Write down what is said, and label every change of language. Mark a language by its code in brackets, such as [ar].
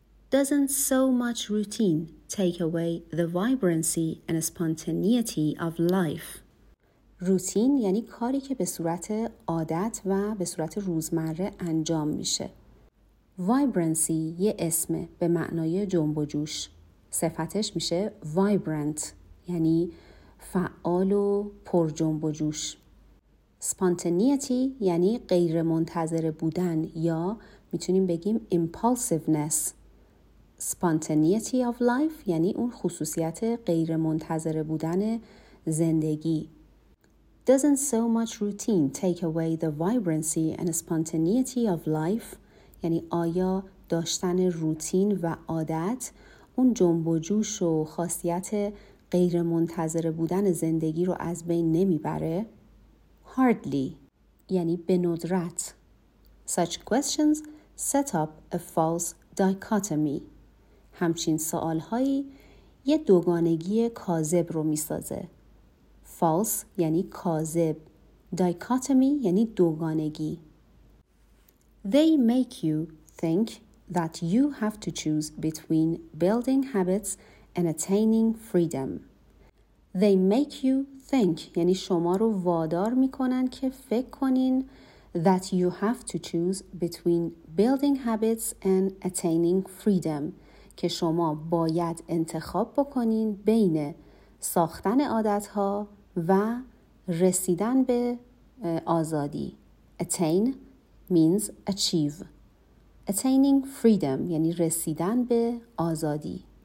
[en] doesn't so much routine take away the vibrancy and spontaneity of life? [fa] روتین یعنی کاری که به صورت عادت و به صورت روزمره انجام میشه. Vibrancy یه اسم به معنای جنب و جوش. صفتش میشه vibrant یعنی فعال و پر جنب و جوش. Spontaneity یعنی غیر منتظره بودن یا میتونیم بگیم impulsiveness. Spontaneity of life یعنی اون خصوصیت غیر منتظره بودن زندگی. [en] Doesn't so much routine take away the vibrancy and spontaneity of life؟ [fa] یعنی آیا داشتن روتین و عادت اون جنب و جوش و خاصیت غیر منتظره بودن زندگی رو از بین نمیبره؟ [en] Hardly [fa] یعنی به ندرت. [en] Such questions set up a false dichotomy. [fa] همچین سوال هایی یه دوگانگی کاذب رو میسازه. False یعنی کاذب. Dichotomy یعنی دوگانگی. [en] They make you think that you have to choose between building habits and attaining freedom. They make you think [fa] یعنی شما رو وادار میکنن که فکر کنین [en] that you have to choose between building habits and attaining freedom [fa] که شما باید انتخاب بکنین بین ساختن عادت‌ها و رسیدن به آزادی. [en] Attain means achieve. Attaining freedom [fa] یعنی رسیدن به آزادی.